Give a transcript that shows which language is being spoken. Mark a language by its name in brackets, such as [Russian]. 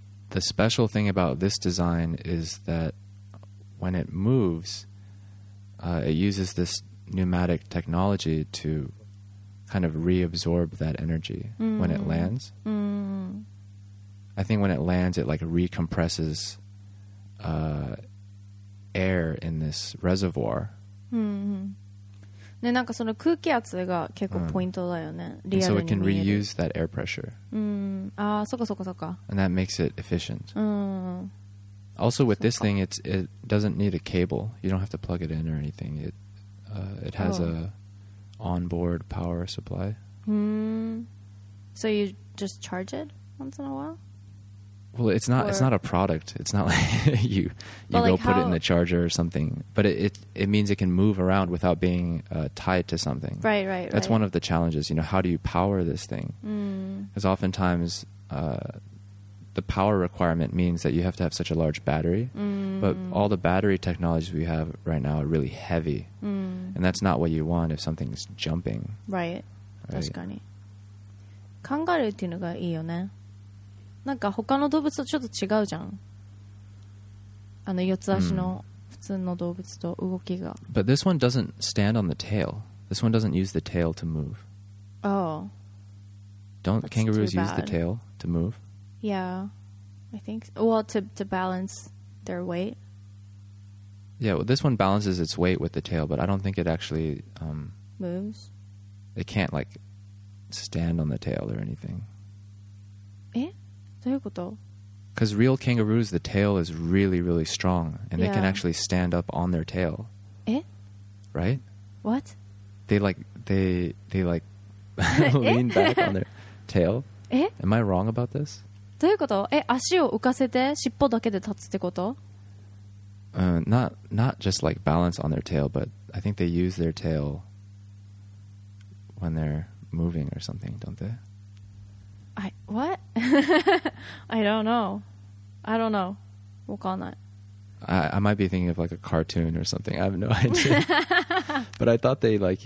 [English] The special thing about this design is that when it moves, it uses this pneumatic technology to kind of reabsorb that energy when it lands. I think when it lands, it like recompresses air in this reservoir. [Japanese] で、なんかその空気圧が結構ポイントだよね。リアルに見える。 [English] And so it can reuse that air pressure. [Japanese] ああ、そかそかそか。 [English] And that makes it efficient. Also with this thing, it doesn't need a cable. You don't have to plug it in or anything. It has a onboard power supply. So you just charge it once in a while? Well, it's not a product. It's not like you go put it in the charger or something. But it means it can move around without being tied to something. Right. That's one of the challenges. You know, how do you power this thing? Because oftentimes the power requirement means that you have to have such a large battery. But all the battery technologies we have right now are really heavy. And that's not what you want if something's jumping. Right. [Japanese] 確かに。カンガルーっていうのがいいよね。なんか他の動物とちょっと違うじゃん。あの四つ足の普通の動物と動きが。 [English] But this one doesn't stand on the tail. This one doesn't use the tail to move. Oh. Don't kangaroos use the tail to move? Yeah, I think. Well, to balance their weight. Yeah, well, this one balances its weight with the tail, but I don't think it actually moves. It can't like stand on the tail or anything. Eh? Because real kangaroos, the tail is really, really strong, and they can actually stand up on their tail. Eh? Right? What? They lean back on their tail. Eh? Am I wrong about this? [Japanese] どういうこと？え、足を浮かせて尻尾だけで立つってこと？ [English] Not just like balance on their tail, but I think they use their tail when they're moving or something, don't they? I don't know. I don't know. We'll call that. I might be thinking of like a cartoon or something. I have no idea. But I thought they like.